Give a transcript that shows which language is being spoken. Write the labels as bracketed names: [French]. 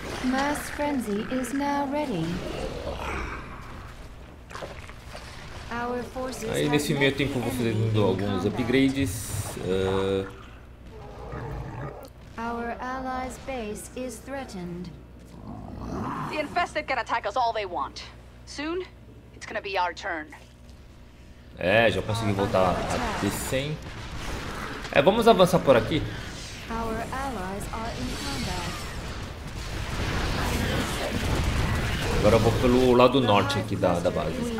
[English] Mass frenzy is now ready. Our forces. [Portuguese] Aí nesse meio tempo vou fazendo alguns upgrades. [English] Our allies' base is threatened. The infested can attack us all they want. Soon, it's gonna be our turn. [Portuguese] É, já consegui voltar a descer. É, vamos avançar por aqui. [English] Our allies are in combat. [Portuguese] Agora eu vou pelo lado norte aqui da base.